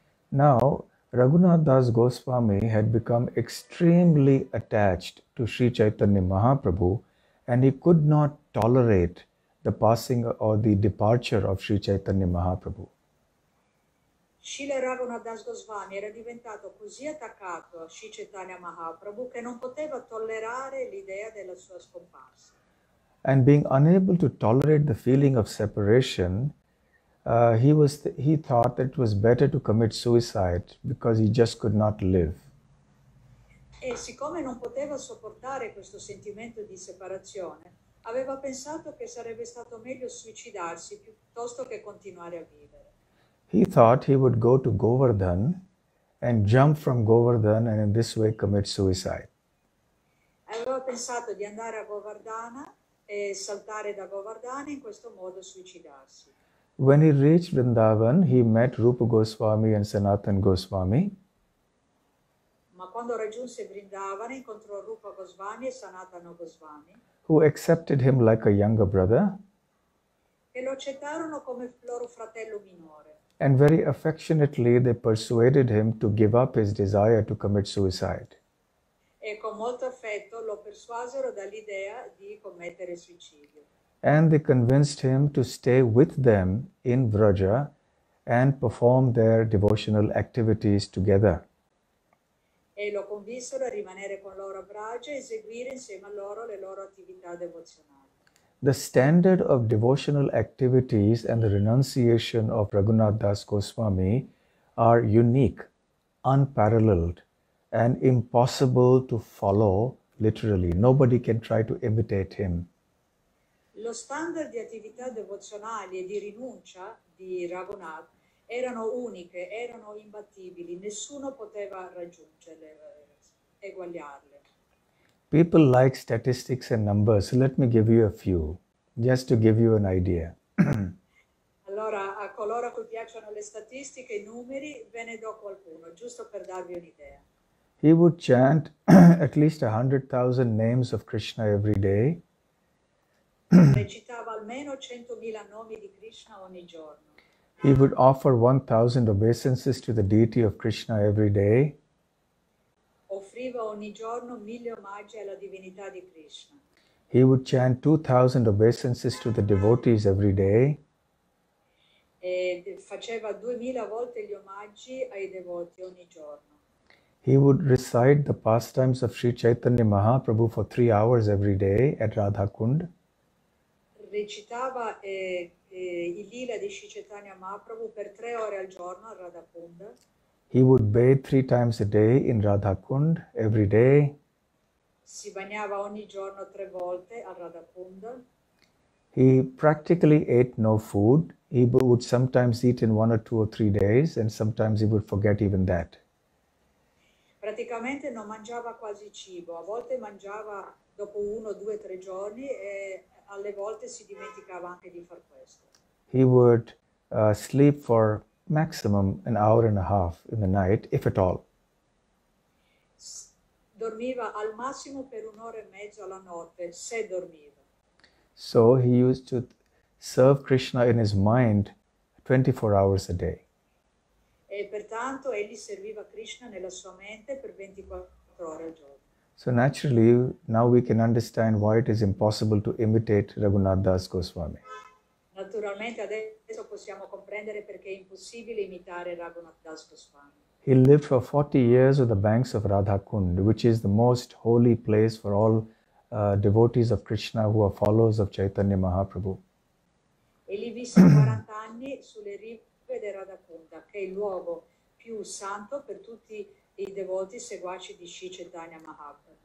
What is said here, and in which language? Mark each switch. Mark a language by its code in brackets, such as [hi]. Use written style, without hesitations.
[en] Now, Raghunath Das Goswami had become extremely attached to Sri Chaitanya Mahaprabhu and he could not tolerate the passing or the departure of Sri Chaitanya Mahaprabhu. [it] Srila Raghunath Das Goswami era diventato così attaccato a Sri Chaitanya Mahaprabhu che non poteva tollerare l'idea della sua scomparsa. [en] And being unable to tolerate the feeling of separation, he thought that it was better to commit suicide because he just could not live. [it] E siccome non poteva sopportare questo sentimento di separazione, aveva pensato che sarebbe stato meglio suicidarsi piuttosto che continuare a vivere. [en] He thought he would go to Govardhan and jump from Govardhan and in this way commit suicide. [it] Aveva pensato di andare a Govardhana e saltare da Govardhana e in questo modo suicidarsi. [en] When he reached Vrindavan, he met Rupa Goswami and Sanatan Goswami. [it] Ma quando raggiunse Vrindavan, incontrò Rupa Goswami e Sanatana Goswami, [en] who accepted him like a younger brother, [it] e lo accettarono come loro fratello minore. [en] And very affectionately they persuaded him to give up his desire to commit suicide. [it] E con molto affetto lo persuasero dall'idea di commettere suicidio. [en] And they convinced him to stay with them in Vraja and perform their devotional activities together. [it] E lo convinsero a rimanere con loro a Vraja e eseguire insieme a loro le loro attività devozionali. [en] The standard of devotional activities and the renunciation of Raghunath Das Goswami are unique, unparalleled, and impossible to follow literally. Nobody can try to imitate him. [it] Lo standard di attività devozionali e di rinuncia di Raghunath erano uniche, erano imbattibili, nessuno poteva raggiungerle, eguagliarle. [en] People like statistics and numbers, let me give you a few, just to give you an idea. [it] Allora, a coloro che piacciono le statistiche e i numeri, ve ne do qualcuno, giusto per darvi un'idea. [en] He would chant at least 100,000 names of Krishna every day. [it] Recitava almeno 100,000 nomi di Krishna ogni giorno. [en] He would offer 1,000 obeisances to the deity of Krishna every day. [it] Offriva ogni giorno 1,000 omaggi alla divinità di Krishna. [en] He would chant 2,000 obeisances to the devotees every day. [it] E faceva 2,000 volte gli omaggi ai devoti ogni giorno. [en] He would recite the pastimes of Sri Chaitanya Mahaprabhu for 3 hours every day at Radhakund. [it] Recitava i lila di Sri Chaitanya Mahaprabhu per 3 ore al giorno a Radhakund. [en] He would bathe 3 times a day in Radhakund every day. [it] Si bagnava ogni giorno 3 volte a Radhakund. [en] He practically ate no food. He would sometimes eat in 1 or 2 or 3 days, and sometimes he would forget even that. [it] Praticamente non mangiava quasi cibo, a volte mangiava dopo 1, 2, 3 giorni e alle volte si dimenticava anche di far questo. [en] He would sleep for maximum an hour and a half in the night, if at all. [it] Dormiva al massimo per 1 ora e mezzo alla notte, se dormiva. [en] So he used to serve Krishna in his mind 24 hours a day. [it] E pertanto egli serviva Krishna nella sua mente per 24 ore al giorno. [en] So naturally, now we can understand why it is impossible to imitate Raghunath Das Goswami. [it] Naturalmente adesso possiamo comprendere perché è impossibile imitare Raghunath Das Goswami. [en] He lived for 40 years on the banks of Radhakund, which is the most holy place for all devotees of Krishna who are followers of Chaitanya Mahaprabhu. [it] Egli visse 40 anni sulle rive di Radhakunda, che è il luogo più santo per tutti i devoti seguaci di Sri Chaitanya Mahaprabhu.